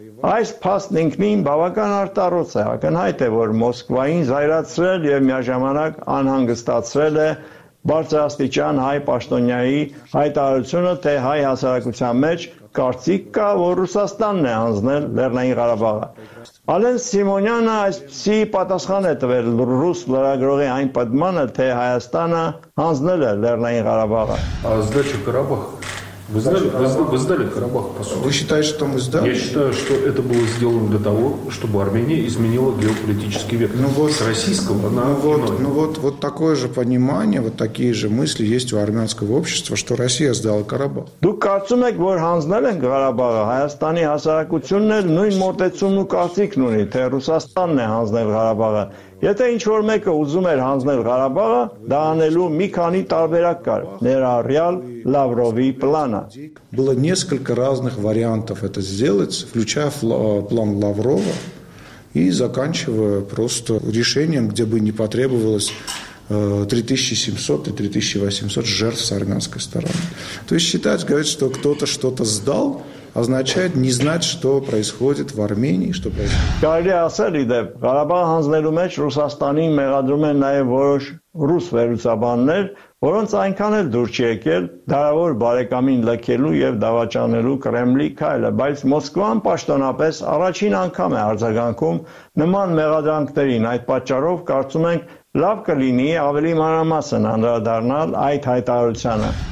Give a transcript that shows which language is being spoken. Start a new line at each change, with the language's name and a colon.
Armenian: Այս փաստն ինքնին բավական արտառոց է, ակնհայտ է, որ Մոսկվային զայրացրել և միաժամանակ անհանգստացրել է բարձրաստիճան հայ պաշտոնյայի հայտարարությունը, թե հայ հասարակության մեջ կարծիք կա, որ Ռուսաստանն է հանձնել Լեռնային Ղարաբաղը։ Ալեն Սիմոնյանը այսպեսի պատասխան է տվել ռուս լրագրողի այն պատմանը, թե Հայաստանը հանձնել է Լեռնային Ղարաբաղը։
Russian: Вы считаете, что мы сдали? Я считаю, что это было сделано для того, чтобы Армения изменила геополитический вектор. Ну вот, с российского на иной. Вот такое же понимание, вот такие же мысли есть у армянского общества, что Россия сдала Карабах.
Armenian: Դուք կարծում եք, որ հանձնել են Ղարաբաղը, Հայաստանի հասարակությունն էլ նույն մոտեցումն ու կարծիքն ունի, թե Ռուսաստանն է հանձնել Ղարաբաղը։ Եթե ինչ-որ մեկը ուզում էր հանձնել Ղարաբաղը, դա անելու մի քանի տարբերակ կար, ներառյալ Լավրովի պլանը։
Russian: Было несколько разных вариантов это сделать, включая план Лаврова и заканчивая просто решением, где бы не потребовалось 3700 и 3800 жертв с армянской стороны. То есть считать, говорить, что кто-то что-то сдал, означает не знать, что происходит в Армении, что происходит.
Armenian: Կարելի ասել, իդեպ, Ղարաբաղը հանձնելու մեջ Ռուսաստանի մեղադրում են նաև որոշ ռուս վերլուծաբաններ, որոնց այնքան էլ դուր չի եկել դարավոր բարեկամին լքելու և դավաճանելու Կրեմլի քայլը, բայց Մոսկվան պաշտոնապես առաջին անգամ է արձագանքում նման մեղադրանքներին, այդ պատճառով կարծում ենք լավ կլինի ավելի մանրամասն անդրադառնալ այդ հայտարարությանը։